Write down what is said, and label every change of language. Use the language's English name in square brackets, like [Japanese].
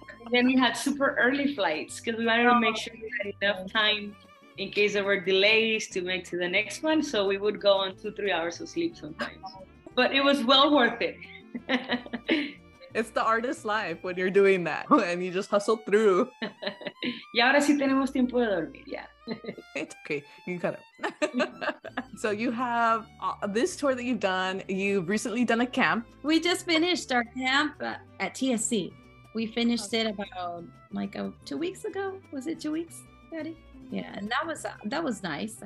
[English] Then we had super early flights because we wanted to make sure we had enough time in case there were delays to make to the next one. So we would go on 2-3 hours of sleep sometimes. But it was well worth it. It's the artist's life when you're doing that and you just hustle through. [Spanish] Y ahora sí tenemos tiempo de dormir, yeah. [English] It's okay, you can cut it. So you have this tour that you've done. You've recently done a camp. We just finished our camp at TSC. We finished it about like 2 weeks ago. Was it 2 weeks, Daddy? Yeah, and that was nice.